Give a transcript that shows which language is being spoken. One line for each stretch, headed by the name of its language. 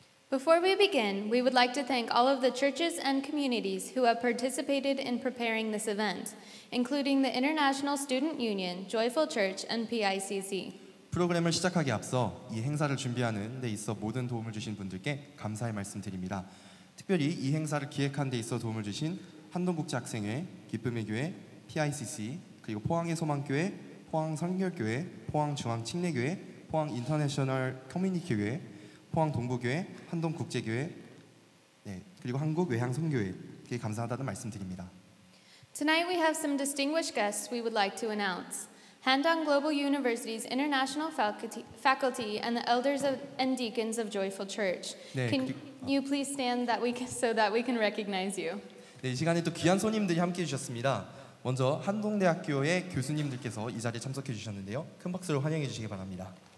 English: Before we begin, we would like to thank all of the churches and communities who have participated in preparing this event, including the International Student Union, Joyful Church, and PICC.
Korean: 프로그램을 시작하기 앞서 이 행사를 준비하는 데 있어 모든 도움을 주신 분들께 감사의 말씀드립니다. 특별히 이 행사를 기획한 데 있어 도움을 주신 한동국제학생회, 기쁨의 교회, PICC, 그리고 포항의 소망교회, 포항 선결교회, 포항 중앙 침례교회, 포항 인터내셔널 커뮤니티 교회, 포항 동부교회, 한동 국제교회, 네, 그리고 한국 외향 선교회에 감사하다는 말씀드립니다.
English: Tonight we have some distinguished guests we would like to announce. Handong Global University's International Faculty and the Elders of, and Deacons of Joyful Church. 네, can
Korean: 그리고,
English: you please stand that we can, so that we can recognize you?
Korean: 네, 이 시간에 또 귀한 손님들이 함께해 주셨습니다. 먼저 한동대학교의 교수님들께서 이 자리에 참석해 주셨는데요. 큰 박수로 환영해 주시기 바랍니다.